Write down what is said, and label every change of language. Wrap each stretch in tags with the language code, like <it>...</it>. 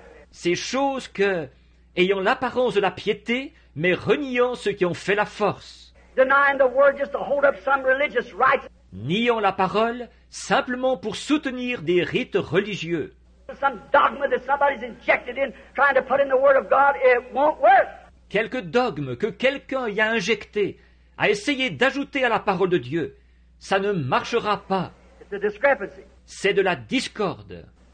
<fr>Ces choses que, ayant l'apparence de la piété, mais reniant ceux qui ont fait la force.</fr> <en>Denying the word just to hold up some religious rites.</en> <fr>Niant la parole simplement pour soutenir des rites religieux.</fr> <en>Some dogma that somebody's injected in, trying to put in the word of God, it won't work.</en> <fr>Quelque dogme que quelqu'un y a injecté, a essayé d'ajouter à la parole de Dieu, ça ne marchera pas. C'est de la discorde.</fr>